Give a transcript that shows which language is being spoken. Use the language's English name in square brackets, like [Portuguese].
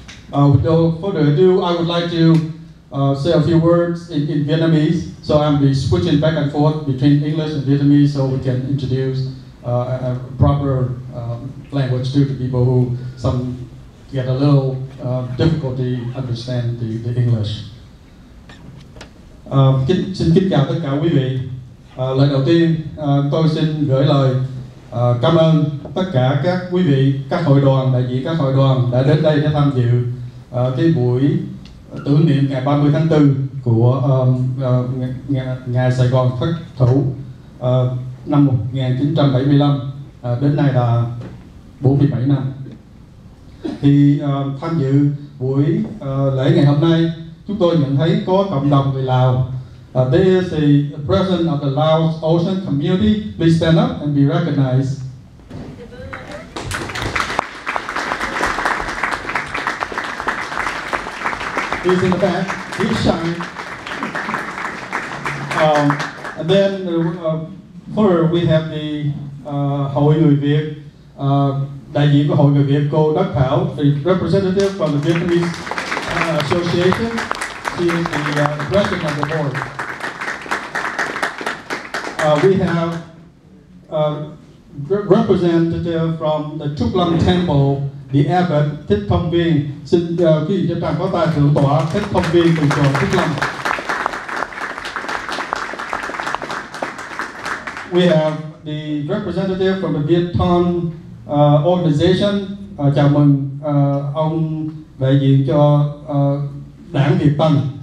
[English] Without further ado, I would like to say a few words in Vietnamese, so I'm be switching back and forth between English and Vietnamese so we can introduce a proper language too, to people who some get a little difficulty understand the English. [Vietnamese] Xin kính chào tất cả quý vị. Lần đầu tiên tôi xin gửi lời cảm ơn tất cả các quý vị, các hội đoàn, đại diện các hội đoàn đã đến đây để tham dự cái buổi tưởng niệm ngày 30 tháng 4 của ngày Sài Gòn thất thủ. Năm 1975 đến nay là 47 năm. Thì tham dự buổi lễ ngày hôm nay, chúng tôi nhận thấy có cộng đồng người Lào. [English] "This is the president of the Laos Ocean Community. Please stand up and be recognized." He's in the back. He's shining. And then further, we have the Hội Người Việt, [Vietnamese] đại diện của Hội Người Việt, cô Đắc Thảo, [English] the representative from the Vietnamese Association, she is the president of the board. We have a representative from the Trúc Lâm Temple, the abbot Thích Thông Viên. [Vietnamese] Xin quý vị cho tràng pháo tay thượng tọa Thích Thông Viên từ chùa Trúc Lâm. [English] We have the representative from the Viet Thanh organization. [Vietnamese] Chào mừng ông đại diện cho Đảng Việt Tân.